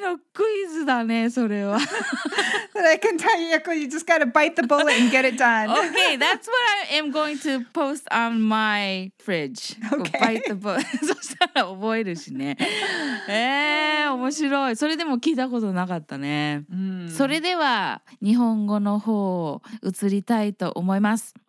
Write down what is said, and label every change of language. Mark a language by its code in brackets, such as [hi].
[ja] なので、ぴったりのクイズだね、それは。 [en] But I can tell you, Yakko, you just gotta bite the bullet and get it done. Okay, that's what I am going to post on my fridge. Okay. Bite the bullet. [ja] そしたら覚えるしね。面白い。それでも聞いたことなかったね。それでは、日本語の方を移りたいと思います。